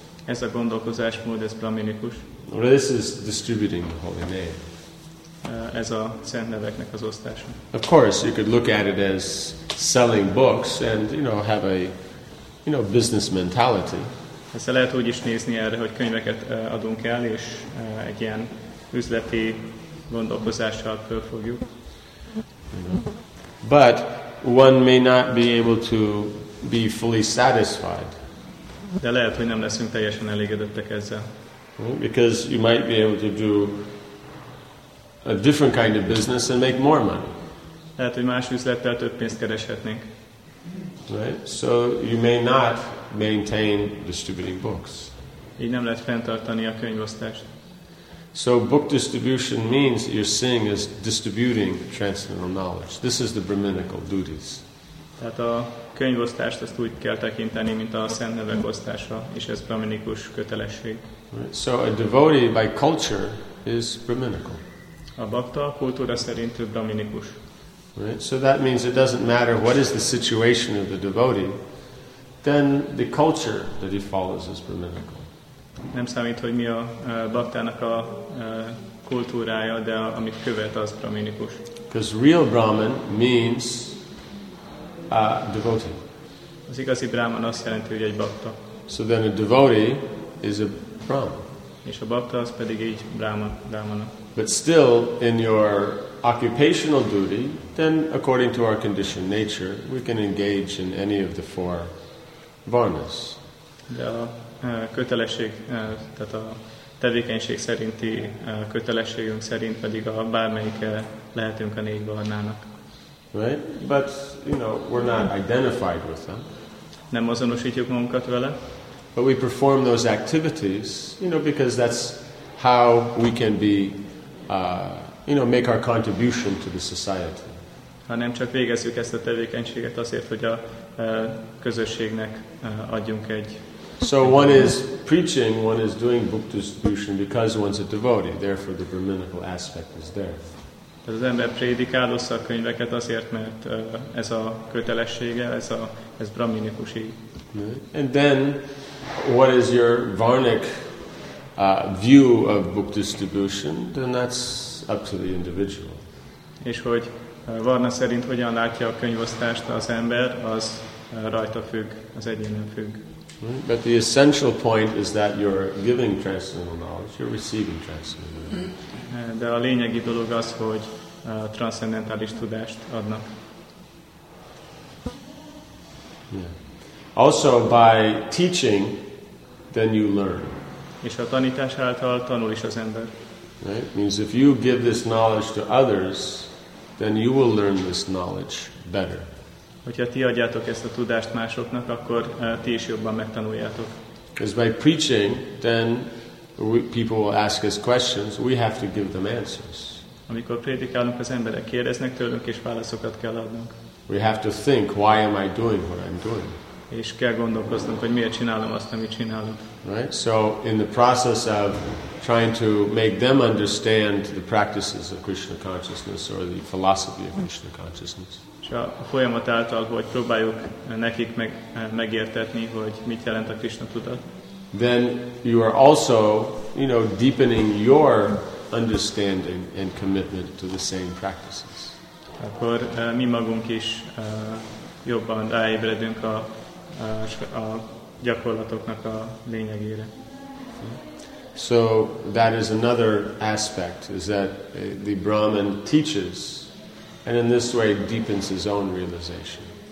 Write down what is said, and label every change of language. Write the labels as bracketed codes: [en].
[hu] Ez a gondolkozásmód, ez brahminikus. [en] Well, this is distributing the holy name. [hu] Ez a szent neveknek az osztása. [en] Of course, you could look at it as selling books and, you know, have a, you know, business mentality. [hu] Ezt lehet úgy is nézni erre, hogy könyveket adunk el, és egy ilyen üzleti gondolkozással fölfogjuk. [en] But one may not be able to be fully satisfied. [hu] De lehet, hogy nem leszünk teljesen elégedettek ezzel. [en] Because you might be able to do a different kind of business and make more money. [hu] Lehet, hogy más üzlettel több pénzt kereshetnénk. [en] Right? So you may not maintain distributing books. [hu] Így nem lehet fenntartani a könyvosztást. [en] So book distribution means you're seeing as distributing transcendental knowledge. This is the brahminical duties. [hu] Tehát a könyvosztást azt úgy kell tekinteni, mint a szent nevek osztása, és ez brahminikus kötelesség. [en] Right? So a devotee by culture is brahminical. [hu] A bhakta kultúra szerint ő brahminikus. [en] Right? So that means it doesn't matter what is the situation of the devotee, then the culture that he follows is brahminical. [hu] Nem számít, hogy mi a bhaktának a kultúrája, de amit követ, az brahminikus. [en] Because real brahmin means a devotee. [hu] Az igazi brahman azt jelenti, hogy egy bhakta. [en] So then a devotee is a brahman. [hu] És a bhakta az pedig egy brahmana. [en] But still, in your occupational duty, then according to our conditioned nature, we can engage in any of the four varnas. [hu] De a kötelesség, tehát a tevékenység szerinti kötelességünk szerint pedig a bármelyike lehetünk a négy varnának. [en] Right? But, you know, we're not identified with them. [hu] Nem azonosítjuk magunkat vele. [en] But we perform those activities, you know, because that's how we can be you know, make our contribution to the society. [hu] Ha nem csak végezzük ezt a tevékenységet azért, hogy a közösségnek adjunk egy. [en] So one is preaching, one is doing book distribution because one's a devotee, therefore the brahminical aspect is there. [hu] Az ember prédikál, ossza a könyveket azért, mert ez a kötelessége, ez brahminikus így. [en] And then, what is your varnic view of book distribution? Then that's up to the individual. [hu] És hogy varna szerint hogyan látja a könyvosztást az ember, az rajta függ, az egyénen függ. [en] But the essential point is that you're giving transcendental knowledge, you're receiving transcendental knowledge. [hu] De a lényegi dolog az, hogy transzcendentális tudást adnak. [en] Yeah. Also by teaching, then you learn. [hu] És a tanítás által tanul is az ember. [en] Right? Means if you give this knowledge to others, then you will learn this knowledge better. [hu] Hogyha ti adjátok ezt a tudást másoknak, akkor ti is jobban megtanuljátok. [en] Because by preaching, then people will ask us questions, we have to give them answers. [hu] Amikor prédikálunk, az emberek kérdeznek tőlünk, és válaszokat kell adnunk. [en] We have to think, why am I doing what I'm doing? [hu] És kell gondolkoznunk, hogy miért csinálom azt, amit csinálok. [en] Right? So in the process of trying to make them understand the practices of Krishna consciousness or the philosophy of Krishna consciousness. [hu] És a folyamat által, hogy próbáljuk nekik megértetni, hogy mit jelent a Krishna tudat. [en] Then you are also, you know, deepening your understanding and commitment to the same practices. [hu] Akkor mi magunk is jobban ráébredünk a gyakorlatoknak a lényegére. [en] So that is another aspect, is that the Brahman teaches and in this way deepens his own realization.